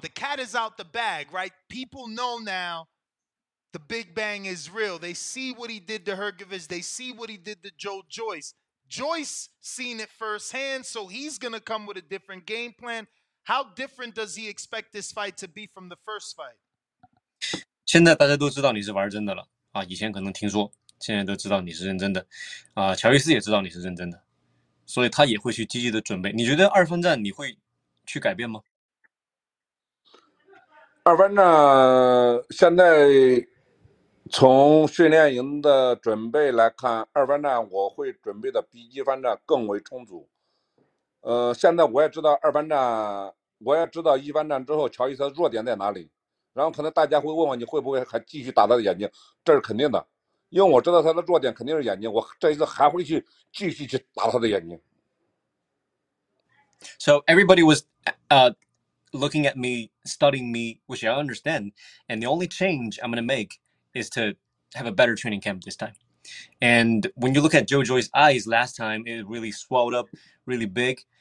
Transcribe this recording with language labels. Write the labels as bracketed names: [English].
[English] The cat is out the bag, right? People know now the Big Bang is real. They see what he did to Hergovic. They see what he did to Joe Joyce. Joyce seen it firsthand, so he's going to come with a different game plan. How different does he expect this fight to be from the first fight? [Chinese] 现在大家都知道你是玩真的了，以前可能听说，现在都知道你是认真的，乔伊斯也知道你是认真的，所以他也会去积极的准备。你觉得二分战你会去改变吗？二分战现在从训练营的准备来看，二分战我会准备的比一分战更为充足。现在我也知道二分战，我也知道一分战之后乔伊斯的弱点在哪里，然后可能大家会问我你会不会还继续打他的眼睛，这是肯定的，因为我知道他的弱点肯定是眼睛，我这一次还会去继续去打他的眼睛。 [English] So everybody was looking at me, studying me, which I understand, and the only change I'm going to make is to have a better training camp this time. And when you look at Joe Joyce's eyes last time, it really swelled up really big.